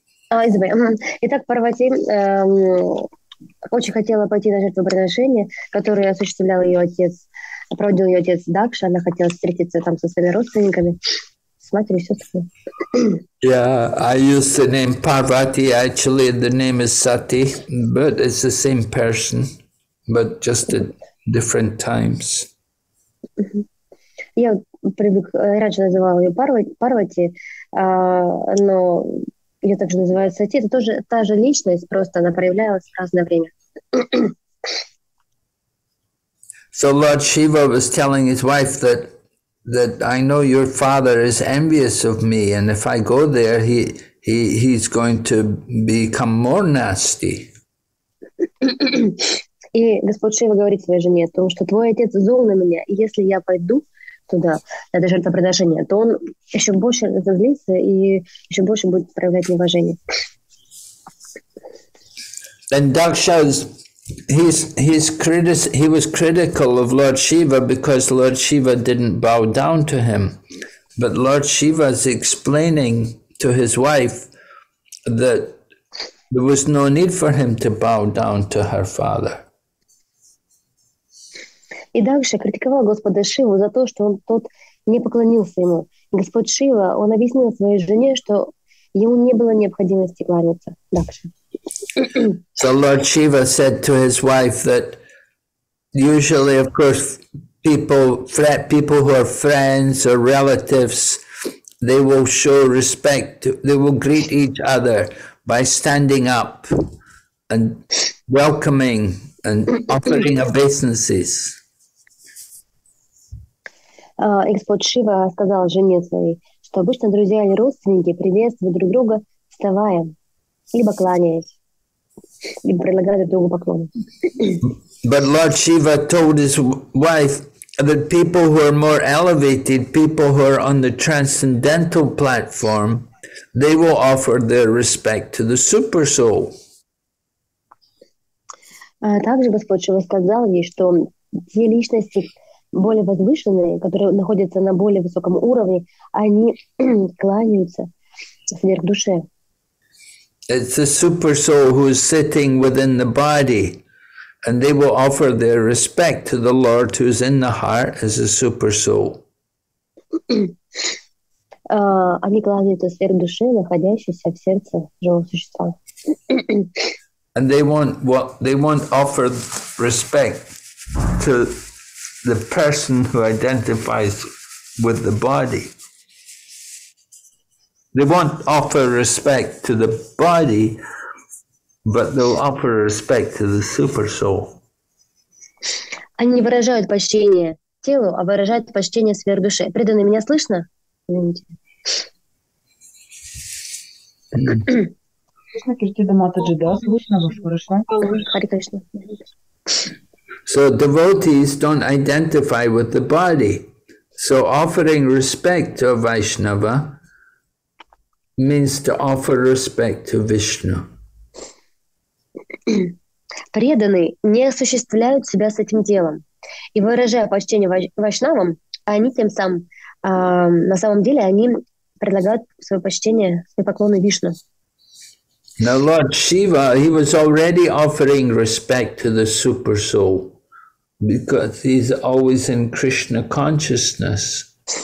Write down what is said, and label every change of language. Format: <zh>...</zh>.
<ru>Итак, Парвати очень хотела пойти на жертвоприношение, которое осуществлял ее отец, проводил ее отец Дакша. Она хотела встретиться там со своими родственниками, с матерью, сестрами.</ru> <en>Yeah, I use the name Parvati. Actually, the name is Sati, but it's the same person, but just at different times.</en> <ru>Я привык, раньше называл ее Парвати, но ее также называют Сати. Это тоже та же личность, просто она проявлялась в разное время.</ru> <en>So Lord Shiva was telling his wife that I know your father is envious of me, and if I go there, he's going to become more nasty.</en> <ru>И Господь Шива говорит своей жене о том, что твой отец зол на меня, и если я пойду туда, на это жертвоприношение, то он еще больше разозлится и еще больше будет проявлять неуважение.</ru> <en>And Daksha, he was critical of Lord Shiva because Lord Shiva didn't bow down to him. But Lord Shiva is explaining to his wife that there was no need for him to bow down to her father.</en> <ru>И Дакша критиковал Господа Шиву за то, что он тот не поклонился ему. Господь Шива, он объяснил своей жене, что ему не было необходимости кланяться Дакше.</ru> <en>So Lord Shiva said to his wife that Usually, of course, people who are friends or relatives, they will show respect. They will greet each other by standing up and welcoming and offering obeisances.</en> <ru>Господь Шива сказал жене своей, что обычно друзья или родственники приветствуют друг друга, вставая, либо кланяясь, либо предлагая друг другу поклон.</ru> <en>But Lord Shiva told his wife that people who are more elevated, people who are on the transcendental platform, they will offer their respect to the super soul.</en> <ru>Также Господь Шива сказал ей, что те личности более возвышенные, которые находятся на более высоком уровне, они кланяются сверх душе.</ru> <en>It's the super soul who is sitting within the body. And they will offer their respect to the Lord who is in the heart as a super soul.</en> <ru>Они кланяются сверх души, находящейся в сердце живого существа.</ru> <en>And they won't offer respect to the person who identifies with the body. They won't offer respect to the body. But they'll offer respect to the super soul.</en> <ru>Они не выражают почтение телу, а выражают почтение сверх души. Преданный, меня слышно? Извините. Слышно, Киртида Матаджи, да? Слышно, вас хорошо? Хари Кришна.</ru> <en>So devotees don't identify with the body. So offering respect to a Vaishnava means to offer respect to Vishnu.</en> <ru>Преданные не осуществляют себя с этим телом. И выражая почтение вайшнавам, они тем самым, на самом деле, они предлагают свое почтение, свои поклоны Вишну.</ru> <en>Now Lord Shiva, he was already offering respect to the super soul, because he's always in Krishna consciousness.</en>